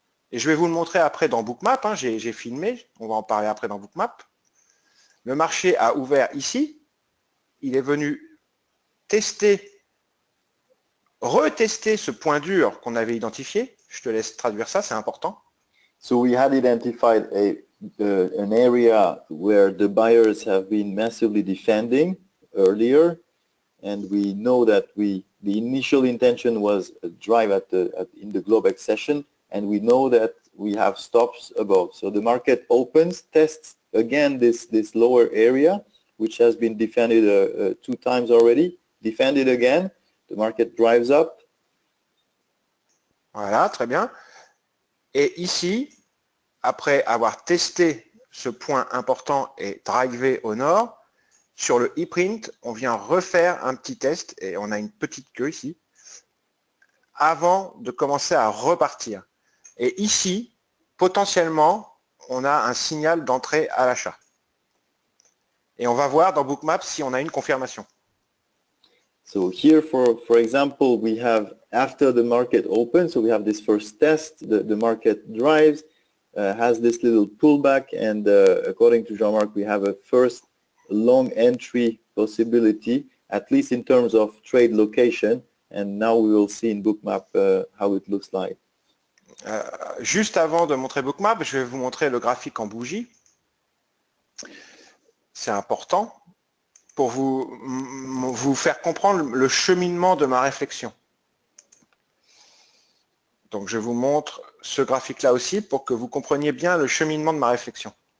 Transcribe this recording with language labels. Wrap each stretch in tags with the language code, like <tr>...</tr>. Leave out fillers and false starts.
<fr>Et je vais vous le montrer après dans Bookmap. Hein. J'ai filmé, on va en parler après dans Bookmap. Le marché a ouvert ici. Il est venu tester, retester ce point dur qu'on avait identifié. Je te laisse traduire ça, c'est important.</fr> <en>So we had identified an area where the buyers have been massively defending earlier, and we know that the initial intention was a drive in the Globex session, and we know that we have stops above. So the market opens, tests again this lower area, which has been defended two times already, defended again, the market drives up.</en> <fr>Voilà, très bien. Et ici, après avoir testé ce point important et drivé au nord, sur le e-print, on vient refaire un petit test et on a une petite queue ici, avant de commencer à repartir. Et ici, potentiellement, on a un signal d'entrée à l'achat. Et on va voir dans Bookmap si on a une confirmation.</fr> <en>So here, for example, we have after the market opens, so we have this first test, the market drives, has this little pullback, and according to Jean-Marc, we have a first long entry possibility, at least in terms of trade location, and now we will see in Bookmap how it looks like.</en> <fr>Juste avant de montrer Bookmap, je vais vous montrer le graphique en bougie. C'est important pour vous faire comprendre le cheminement de ma réflexion. Donc je vous montre ce graphique-là aussi pour que vous compreniez bien le cheminement de ma réflexion.</fr>